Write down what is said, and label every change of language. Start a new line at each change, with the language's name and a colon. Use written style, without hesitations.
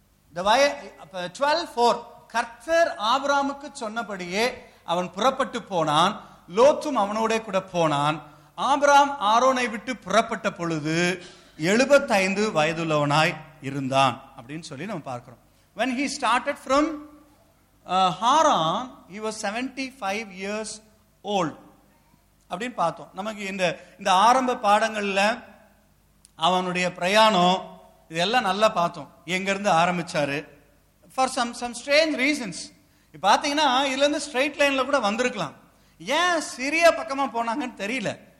Tamil: இந்த வயல் 4, கர்த்தர் ஆபிரகாமுக்கு சொன்னபடியே அவன் புறப்பட்டு போனான், லோத்தும் அவனோட கூட போனான். ஆபிராம் ஆரோனை விட்டு புறப்பட்ட பொழுது 75 வயதுள்ளவனாய் இருந்தான் அப்படின்னு சொல்லி நம்ம பார்க்கிறோம்.
English: When he started from Haran, he was 75 years old.
Tamil: அப்படின்னு பார்த்தோம். நமக்கு இந்த ஆரம்ப பாடங்கள்ல அவனுடைய பிரயாணம் இதெல்லாம் நல்லா பார்த்தோம். எங்கிருந்து ஆரம்பிச்சாரு?
English: For some strange reasons.
Tamil: பாத்தீங்கன்னா இதுல இருந்து ஸ்ட்ரெயிட் லைன்ல கூட வந்திருக்கலாம். ஏன் சிறிய பக்கமா போனாங்கன்னு தெரியல.